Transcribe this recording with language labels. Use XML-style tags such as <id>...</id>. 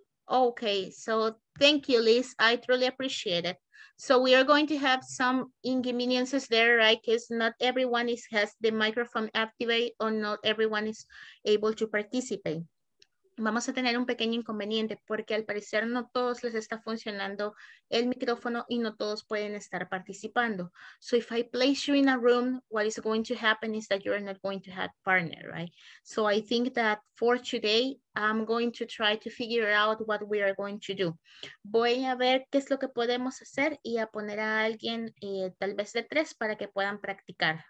<en>Okay, so thank you, Liz. I truly appreciate it. So we are going to have some inconveniences there, right? Because not everyone has the microphone activated or not everyone is able to participate.</en> <es>Vamos a tener un pequeño inconveniente porque al parecer no todos les está funcionando el micrófono y no todos pueden estar participando.</es> <en>So if I place you in a room, what is going to happen is that you're not going to have partner, right? So I think that for today, I'm going to try to figure out what we are going to do.</en> <es>Voy a ver qué es lo que podemos hacer y a poner a alguien tal vez de tres para que puedan practicar.</es>